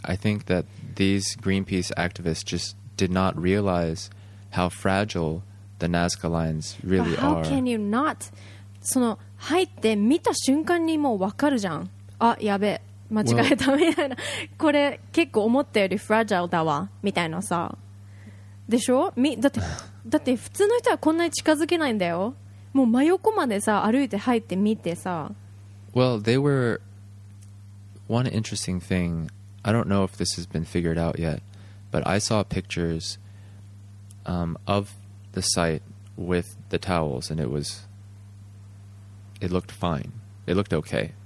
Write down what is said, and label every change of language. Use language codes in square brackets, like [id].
[en] I think that these Greenpeace activists just did not realize how fragile the Nazca lines really are. But how can you not? [ja] その入って見た瞬間にもう分かるじゃん、あやべえ間違えたみたいな、これ結構思ったよりフラジャイルだわみたいなさ、でしょ、だって普通の人はこんなに近づけないんだよ、もう真横までさ歩いて入って見てさ。 [en] Well, they were one interesting thing, I don't know if this has been figured out yet, but I saw pictures、of the site with the towels and it looked fine. It looked okay.